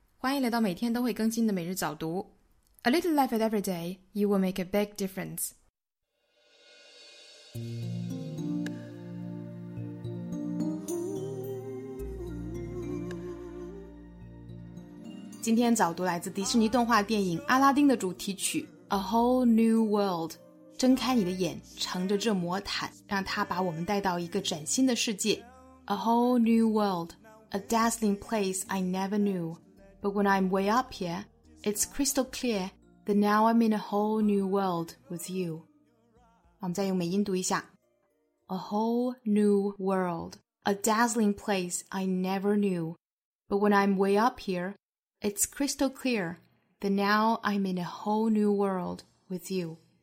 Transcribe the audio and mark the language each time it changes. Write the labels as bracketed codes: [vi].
[zh] 欢迎来到每天都会更新的每日早读。 [en] A little life at every day, you will make a big difference. Ooh. [zh] 今天早读来自迪士尼动画电影《阿拉丁》的主题曲《A Whole New World》。睁开你的眼，乘着这魔毯，让它把我们带到一个崭新的世界。 [en] A Whole New World. A dazzling place I never knew. But when I'm way up here, it's crystal clear that now I'm in a whole new world with you. [zh] 我们再用美音读一下。 [en] A whole new world. A dazzling place I never knew. But when I'm way up here, it's crystal clear that now I'm in a whole new world with you.